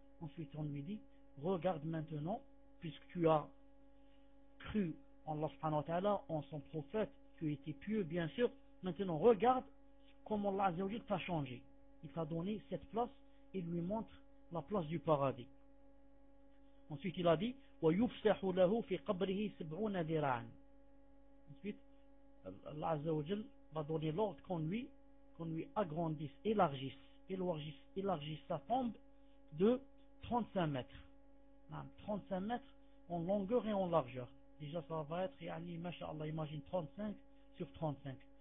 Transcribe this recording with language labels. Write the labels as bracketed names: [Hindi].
[French] Ensuite on lui dit regarde maintenant, puisque tu as cru en Allah subhanahu wa ta'ala, en son prophète, tu étais pieux bien sûr, maintenant regarde comment Allah azza wa jalla t'a changé. Il t'a donné cette place et lui montre la place du paradis. Ensuite, il a dit [Arabic] وَيُفْسَحُ لَهُ فِي قَبْرِهِ سَبْعُونَ ذِرَعًا. [French] Ensuite, Allah Azza wa Jal va donner l'ordre qu'on lui agrandisse, élargisse sa tombe de 35 mètres. 35 mètres en longueur et en largeur. Déjà, ça va être, yani, mashallah, imagine 35 sur 35.